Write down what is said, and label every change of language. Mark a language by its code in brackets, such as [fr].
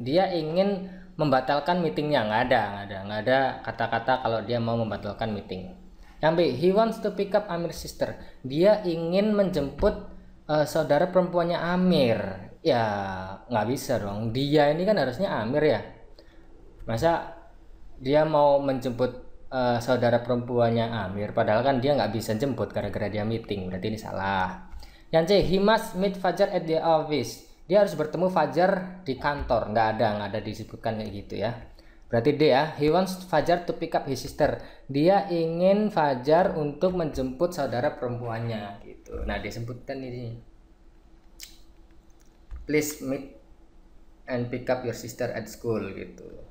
[id] Dia ingin membatalkan meetingnya. Nggak ada kata-kata kalau dia mau membatalkan meeting. Yang B, [en] he wants to pick up Amir's sister. [id] Dia ingin menjemput saudara perempuannya Amir. Ya nggak bisa dong. Dia ini kan harusnya Amir ya. Masa dia mau menjemput saudara perempuannya Amir, padahal kan dia nggak bisa jemput gara-gara dia meeting. Berarti ini salah. Yang C, [en] he must meet Fajar at the office. [id] Dia harus bertemu Fajar di kantor. Nggak ada disebutkan kayak gitu ya. Berarti D ya, [en] he wants Fajar to pick up his sister. [id] Dia ingin Fajar untuk menjemput saudara perempuannya gitu. Nah, disebutkan ini. [en] Please meet and pick up your sister at school [id] gitu.